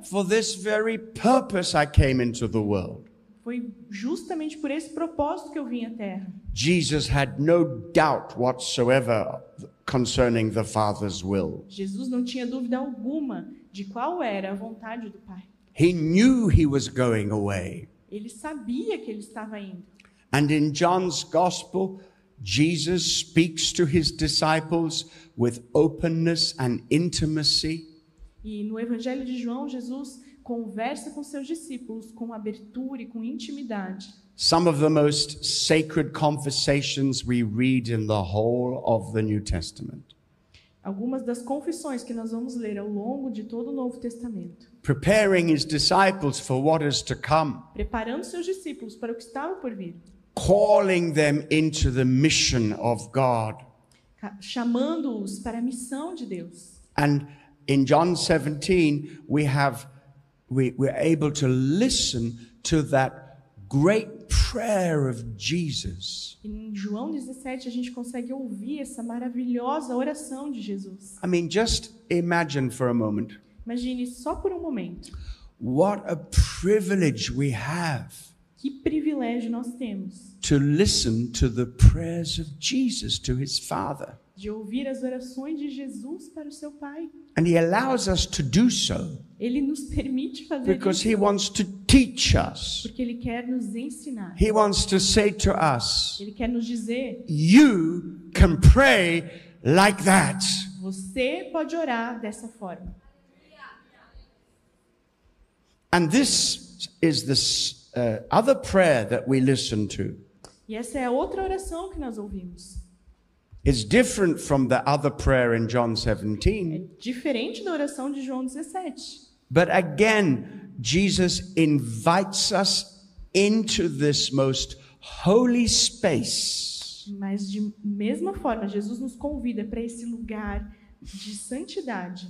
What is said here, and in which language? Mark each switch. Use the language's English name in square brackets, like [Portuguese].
[English] For this very purpose I came into the world. [Portuguese] Foi justamente por esse propósito que eu vim à Terra. [English] Jesus had no doubt whatsoever concerning the Father's will. [Portuguese] Jesus não tinha dúvida alguma de qual era a vontade do Pai. [English] He knew he was going away. [Portuguese] Ele sabia que ele estava indo. [English] And in John's Gospel, Jesus speaks to his disciples with openness and intimacy. [Portuguese] E no Evangelho de João, Jesus conversa com seus discípulos com abertura e com intimidade. [English] Some of the most sacred conversations we read in the whole of the New Testament. [Portuguese] Algumas das confissões que nós vamos ler ao longo de todo o Novo Testamento. [English] Preparing his disciples for what is to come. [Portuguese] Preparando seus discípulos para o que estava por vir. [English] Calling them into the mission of God. [Portuguese] Chamando-os para a missão de Deus. [English] And in John 17, we're able to listen to that great prayer of Jesus. [Portuguese] Em João 17 a gente consegue ouvir essa maravilhosa oração de Jesus. [English] I mean, just imagine for a moment. [Portuguese] Imagine só por um momento. [English] What a privilege we have. [Portuguese] Que privilégio nós temos. [English] To listen to the prayers of Jesus to his Father. [Portuguese] De ouvir as orações de Jesus para o seu Pai. [English] And he allows us to do so. [Portuguese] Ele nos permite fazer isso. [English] Because he wants to teach us. [Portuguese] Porque ele quer nos ensinar. [English] He wants to say to us. [Portuguese] Ele quer nos dizer. [English] You can pray like that. [Portuguese] Você pode orar dessa forma. [English] And this is this other prayer that we listen to. [Portuguese] E essa é a outra oração que nós ouvimos. [English] It's different from the other prayer in John 17. [Portuguese] É diferente da oração de João 17. [English] But again, Jesus invites us into this most holy space. [Portuguese] Mas de mesma forma, Jesus nos convida para esse lugar de santidade.